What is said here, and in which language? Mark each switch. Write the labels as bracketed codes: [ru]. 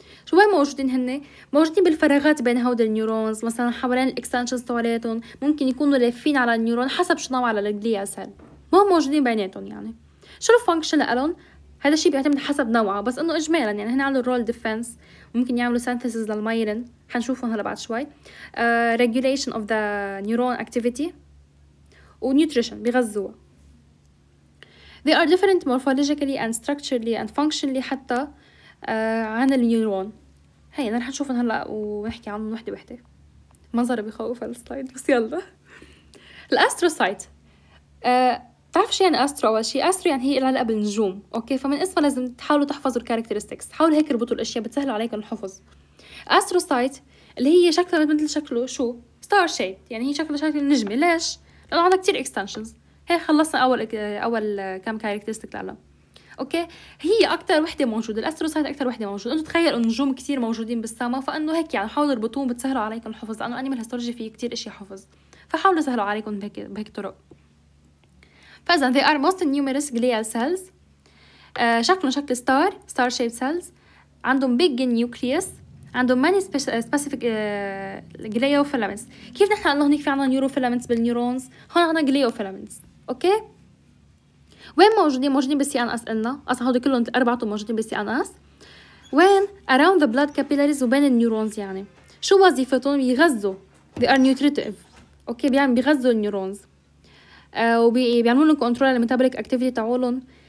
[ar] شو وين موجودين هن؟ موجودين بالفراغات بين هودي النيورونز, مثلا حوالين الإكستنشنز تبعيتهم, ممكن يكونوا لافين على النيورون حسب شو نوع على الجليال سيل, مو موجودين بيناتهم. يعني شو الفانكشن لهم؟ هذا الشيء بيعتمد حسب نوعه, بس إنه إجمالا يعني هن عندهم رول ديفنس, ممكن يعملوا سينثيسز للمايلين, حنشوفهم هلا بعد شوي, [en] regulation of the neuron activity, [ar] ونيوتريشن بغذوها. [en] They are different morphologically and structurally and functionally [ar] حتى عن النيورون. هاي رح نشوفهم هلا ونحكي عنهم وحدة وحدة, منظر بيخوف على السلايد بس يلا. الأستروسايت, تعرف شو يعني أسترو؟ أول شيء أسترو يعني هي العلاقة بالنجوم, أوكي, فمن اسمها لازم تحاولوا تحفظوا الكاركترستكس, حاولوا هيك ربطوا الأشياء بتسهلوا عليكم الحفظ. أستروسايت اللي هي شكلها مثل شكله شو؟ ستار شيب, يعني هي شكلها شكل النجمة. ليش؟ لأنه عندها كتير إكستنشنز. هي خلصنا أول كم كاركترستيك لها, أوكي؟ هي أكتر وحدة موجودة, الأستروسايت أكتر وحدة موجودة. أنتوا تخيلوا النجوم كتير موجودين بالسما, فإنه هيك يعني حاولوا ربطوهم بتسهلوا عليكم الحفظ, لأنه أنيمال هيستولوجي فيه كتير أشياء حفظ, فحاولوا سهلوا عليكم بهيك طرق. فإذا [en] they are most numerous glial cells, [ar] شكلهم شكل [en] star, star shape cells, [ar] عندهم [en] big nucleus, عندهم many specific gliofilaments. [ar] كيف نحن قلنا هناك في عنا neurofilaments بالنيورونز, هون عنا gliofilaments, أوكي؟ وين موجودين؟ موجودين بالسي ان اس, قلنا أصلا هودي كلهم أربعة موجودين بالسي ان اس. [en] وين؟ around the blood capillaries وبين النيورونز. [ar] يعني شو وظيفتهم؟ بيغذوا, [en] they are nutritive, [ar] أوكي, بيعمل بيغذوا النيورونز وبيعملوا لهم كنترول على الميتابوليك اكتيفيتي تاعولهم.